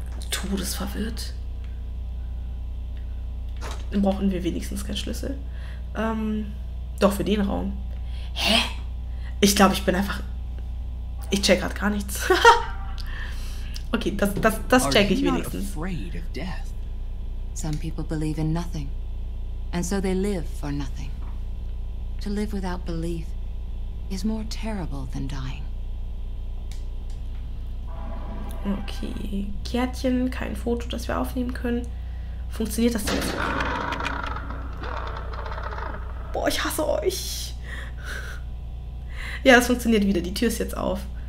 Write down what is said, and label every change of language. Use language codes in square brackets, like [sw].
[de] Todesverwirrt. Dann brauchen wir wenigstens keinen Schlüssel. Doch, für den Raum. Hä? Ich glaube, ich bin einfach... Ich check grad gar nichts. Okay, das check ich wenigstens. [en] Afraid of death? Some people believe in nothing. And so they live for nothing. To live without belief is more terrible than dying. [de] Okay, Kärtchen, kein Foto, das wir aufnehmen können. Funktioniert das jetzt? Boah, ich hasse euch. Ja, das funktioniert wieder. Die Tür ist jetzt auf.